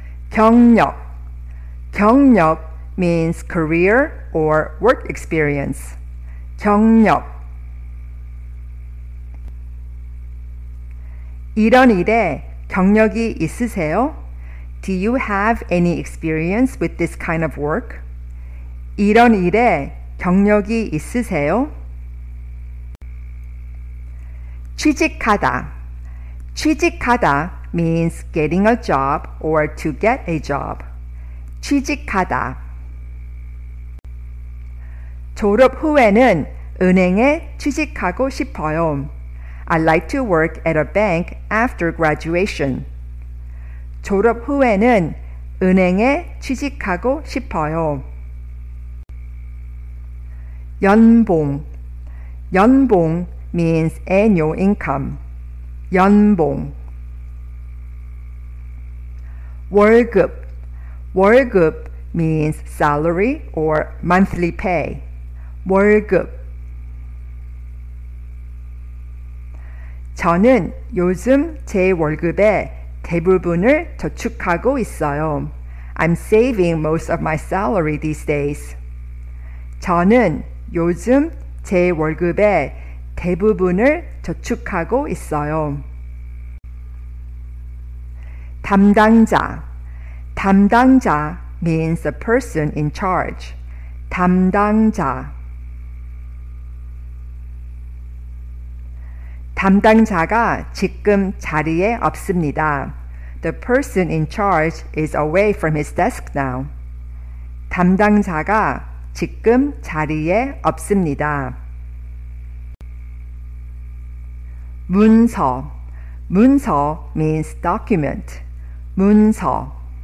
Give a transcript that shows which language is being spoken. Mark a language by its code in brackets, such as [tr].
[en] 경력. 경력 means career or work experience. 경력. [ko] 이런 일에 경력이 있으세요? [en] Do you have any experience with this kind of work? [ko] 이런 일에 경력이 있으세요? [en] 취직하다. 취직하다 means getting a job or to get a job. 취직하다. [ko] 졸업 후에는 은행에 취직하고 싶어요. [en] I'd like to work at a bank after graduation. [ko] 졸업 후에는 은행에 취직하고 싶어요. [en] 연봉. 연봉 means annual income. 연봉. 월급. 월급 means salary or monthly pay. 월급. [ko] 저는 요즘 제 월급에 대부분을 저축하고 있어요. [en] I'm saving most of my salary these days. [ko] 저는 요즘 제 월급에 대부분을 저축하고 있어요. [en] 담당자. 담당자 means the person in charge. [ko] 담당자. 담당자가 지금 자리에 없습니다. [en] The person in charge is away from his desk now. [ko] 담당자가 지금 자리에 없습니다. [en] 문서. 문서 means document. 문서.